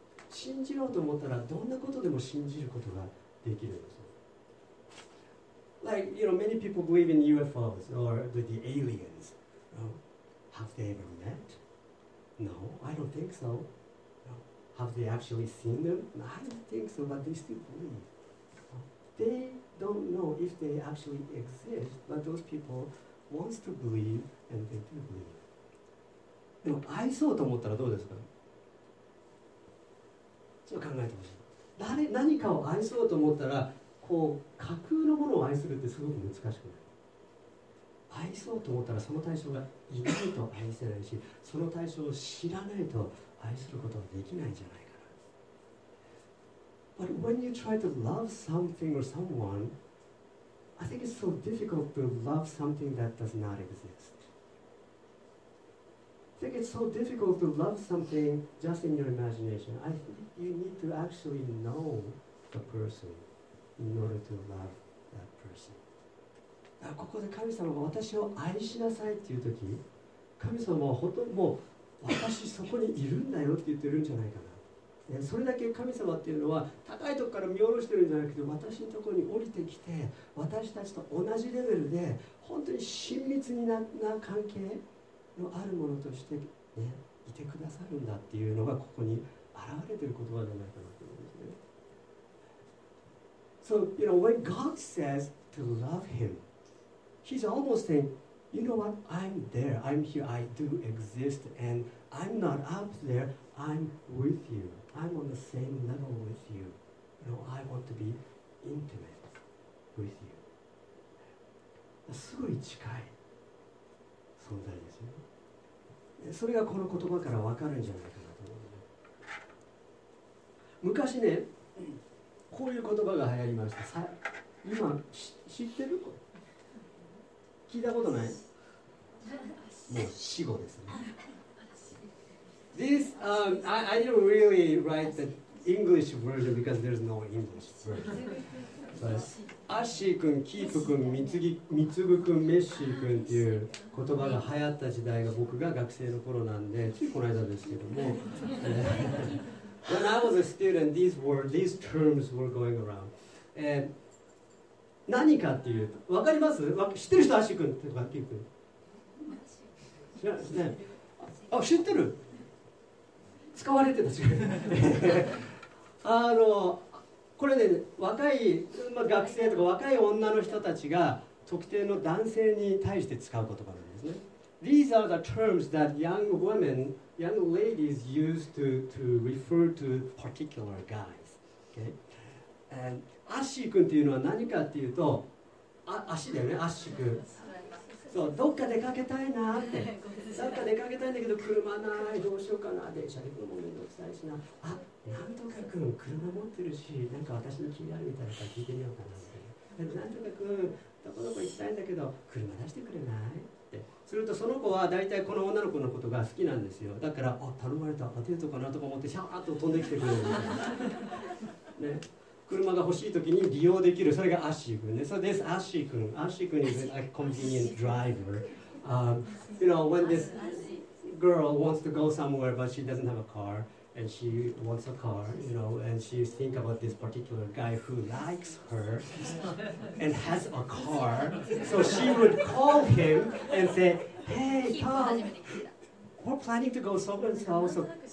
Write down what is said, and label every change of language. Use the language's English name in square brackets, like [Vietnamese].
[Japanese] 信じようと思ったらどんなことでも信じることができるんですよ。 [English] Like, you know, many people believe in UFOs or the aliens. Have they ever met? No, I don't think so. No. Have they actually seen them? I don't think so, but they still believe. They don't know if they actually exist, but those people want to believe, and they do believe. [Japanese] でも愛そうと思ったらどうですか？ちょっと考えてほしい。何かを愛そうと思ったら、こう架空のものを愛するってすごく難しくない？愛そうと思ったらその対象がいないと愛せないし、その対象を知らないと愛することはできないじゃないかな。 [English] But when you try to love something or someone, I think it's so difficult to love something that does not exist. I think it's so difficult to love something just in your imagination. I think you need to actually know the person in order to love that person. [Japanese] ここで神様が私を愛しなさいっていうとき、神様はほとんどもう私そこにいるんだよって言ってるんじゃないかな。それだけ神様っていうのは高いとこから見下ろしてるんじゃなくて、私のところに降りてきて、私たちと同じレベルで本当に親密に な関係のあるものとして、ね、いてくださるんだっていうのがここに現れてる言葉じゃないかなと思うんですね。 [English] So, you know, when God says to love HimHe's almost saying, you know what, I'm there, I'm here, I do exist, and I'm not up there, I'm with you. I'm on the same level with you. You know, I want to be intimate with you. [Japanese] すごい近い存在ですよ。それがこの言葉から分かるんじゃないかなと思う。昔ね、こういう言葉が流行りました。今、知ってる？聞いたことない。もう死語ですね。 [English] This, I didn't really write the English version because there's no English version. [Japanese] But Ashi 君、Keep 君、Mitsubu 君、Meshi 君っていう言葉が流行った時代が僕が学生の頃なんで、ついこの間ですけども。 [English] When I was a student, these terms were going around. And, [Japanese] 何かっていうと、分かります？知ってる人、アッシー君とか、キープ君。知らないですね。あ、知ってる。使われてた、違う。これね、若い、まあ、学生とか若い女の人たちが特定の男性に対して使う言葉なんですね。 [English] These are the terms that young women, young ladies use to refer to particular guys. Okay? [Japanese] And,アッシー君っていうのは何かっていうと、足だよね、アッシー君。そう、どっか出かけたいなって。どっか出かけたいんだけど、車ない、どうしようかな、電車で行くのもめんどくさいしな。あ、なんとか君、車持ってるし、なんか私の気になるみたいなのか聞いてみようかなって。なんとか君、どこどこ行きたいんだけど、車出してくれないって。すると、その子は大体この女の子のことが好きなんですよ。だから、あ、頼まれた、デートかなとか思って、シャーッと飛んできてくれるみたいな。ね。車が欲しいときに利用できる、それがアッシー君ね。 [English] So this Ashi 君、Ashi 君 is a convenient driver. You know, when this girl wants to go somewhere but she doesn't have a car and she wants a car, you know, and she thinks about this particular guy who likes her and has a car, so she would call him and say, "Hey, Tom, we're planning to go somewhere." So.